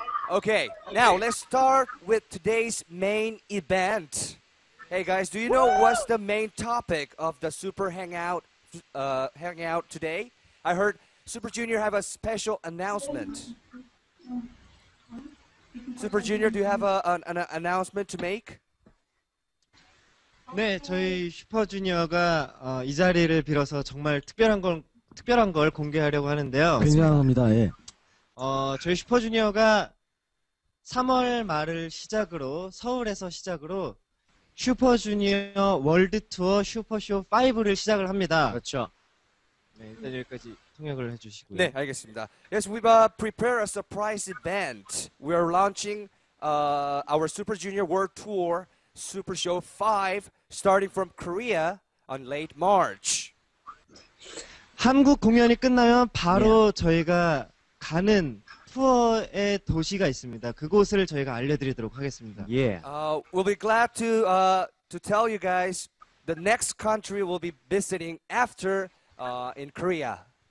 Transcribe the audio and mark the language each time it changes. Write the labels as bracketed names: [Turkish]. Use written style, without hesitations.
[English] Okay, now let's start with today's main event. Hey guys, do you know what's the main topic of the Super Hangout hangout today? I heard Super Junior have a special announcement. Super Junior, do you have an announcement to make? [Korean] 네, 저희 슈퍼 주니어가 이 자리를 빌어서 정말 특별한 걸 공개하려고 하는데요. 굉장합니다. 예. 저희 슈퍼 주니어가 3월 말을 시작으로 서울에서 시작으로 슈퍼 주니어 월드 투어 슈퍼쇼 5를 시작을 합니다. 그렇죠. 네, 일단 여기까지 통역을 해주시고요. 네, 알겠습니다. [English] Yes, we've prepared a surprise event. We are launching our Super Junior World Tour Super Show 5 starting from Korea on late March. [Korean] 한국 공연이 끝나면 바로 yeah. 저희가 가는 투어의 도시가 있습니다. 그곳을 저희가 알려드리도록 하겠습니다. [English] Yeah. We'll be glad to tell you guys the next country we'll be visiting after in Korea.